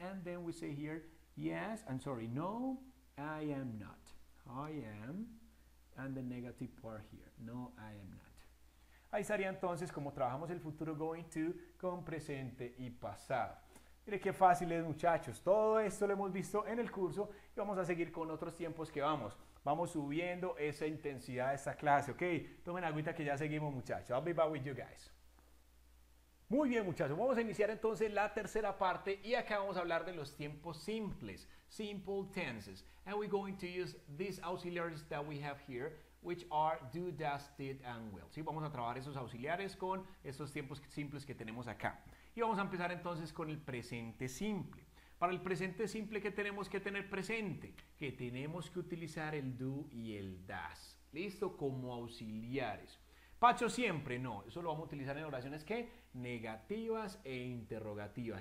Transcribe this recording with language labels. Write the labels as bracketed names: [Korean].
[English] And then we say here, yes, I'm sorry, no, I am not. I am. And the negative part here. No, I am not. [Spanish] Ahí estaría entonces como trabajamos el futuro going to con presente y pasado. Mire qué fácil es, muchachos. Todo esto lo hemos visto en el curso y vamos a seguir con otros tiempos que vamos. Vamos subiendo esa intensidad de esta clase, ¿ok? Tomen agüita que ya seguimos, muchachos. [English] I'll be back with you guys. [Spanish] Muy bien, muchachos. Vamos a iniciar entonces la tercera parte y acá vamos a hablar de los tiempos simples. [English] Simple tenses. And we're going to use these auxiliaries that we have here, which are do, does, did, and will. [Spanish] ¿Sí? Vamos a trabajar esos auxiliares con esos tiempos simples que tenemos acá. Y vamos a empezar entonces con el presente simple. Para el presente simple, ¿qué tenemos que tener presente? Que tenemos que utilizar el do y el does. ¿Listo? Como auxiliares. Pacho siempre, no. Eso lo vamos a utilizar en oraciones que negativas e interrogativas.